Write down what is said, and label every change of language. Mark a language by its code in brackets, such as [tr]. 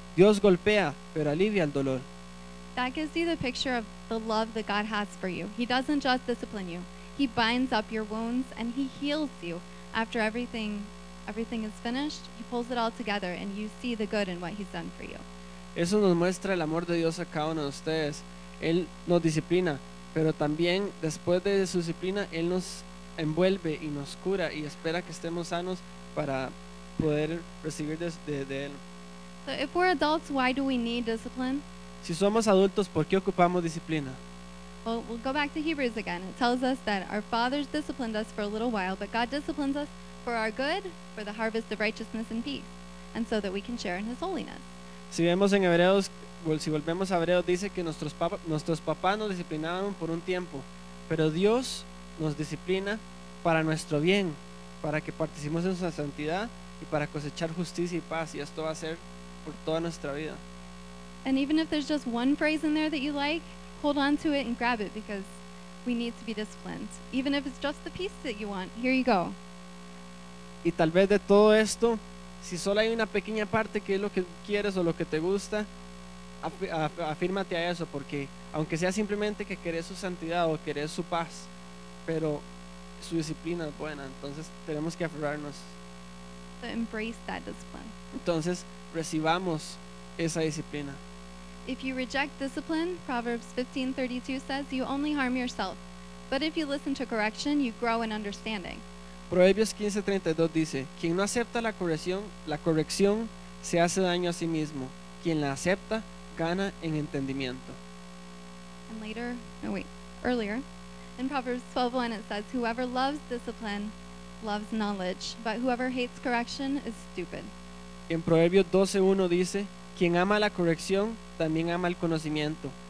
[es] Dios golpea, pero alivia el dolor." [en] That gives you the picture of the love that God has for you. He doesn't just discipline you. He binds up your wounds and He heals you. After everything is finished, He pulls it all together and you see the good in what He's done for you. [es] Eso nos muestra el amor de Dios a cada uno de ustedes. Él nos disciplina, pero también después de su disciplina, Él nos envuelve y nos cura y espera que estemos sanos para poder recibir de Él. [en] So if we're adults, why do we need discipline? [es] Si somos adultos, ¿por qué ocupamos disciplina? [en] Well, we'll go back to Hebrews again. It tells us that our fathers disciplined us for a little while, but God disciplines us for our good, for the harvest of righteousness and peace, and so that we can share in His holiness. [es] Si vemos en Hebreos, si volvemos a Hebreos, dice que nuestros papás nos disciplinaban por un tiempo, pero Dios nos disciplina para nuestro bien, para que participemos en su santidad y para cosechar justicia y paz, y esto va a ser por toda nuestra vida. [en] And even if there's just one phrase in there that you like, hold on to it and grab it, because we need to be disciplined. Even if it's just the piece that you want, here you go. [es] Y tal vez de todo esto, si solo hay una pequeña parte que es lo que quieres o lo que te gusta, afírmate a eso, porque aunque sea simplemente que querés su santidad o querés su paz, pero su disciplina es buena, entonces tenemos que aferrarnos. [en] So embrace that discipline. [es] Entonces recibamos esa disciplina. [en] If you reject discipline, Proverbs 15:32 says, you only harm yourself. But if you listen to correction, you grow in understanding. [es] Proverbios 15:32 dice, quien no acepta la corrección se hace daño a sí mismo. Quien la acepta gana en entendimiento. [en] And later, no wait, earlier, in Proverbs 12:1 it says, whoever loves discipline loves knowledge, but whoever hates correction is stupid. [es] En Proverbios 12:1 dice, quien ama la corrección también ama el conocimiento.